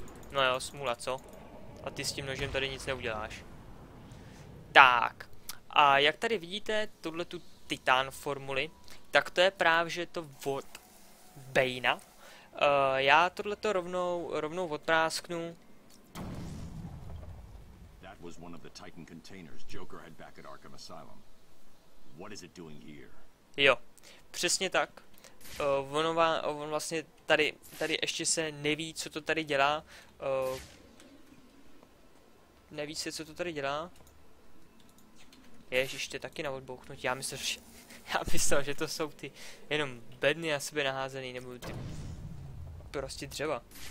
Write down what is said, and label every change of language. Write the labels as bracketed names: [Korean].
[Czech] No jo, smůla, co? A ty s tím nožem tady nic neuděláš. Tak. A jak tady vidíte, tuhle tu titán formuli, tak to je právě to od Bane'a. Já tohleto rovnou odprásknu. [English] That was one of the Titan containers Joker had back at Arkham Asylum. What is it doing here? [Czech] Jo, přesně tak. On vlastně tady ještě se neví, co to tady dělá. Neví se, co to tady dělá. Ježiš, to je taky na odbouchnutí. Já myslím, že Já myslel, že to jsou ty jenom bedny na sebe naházený, nebo ty prostě dřeva.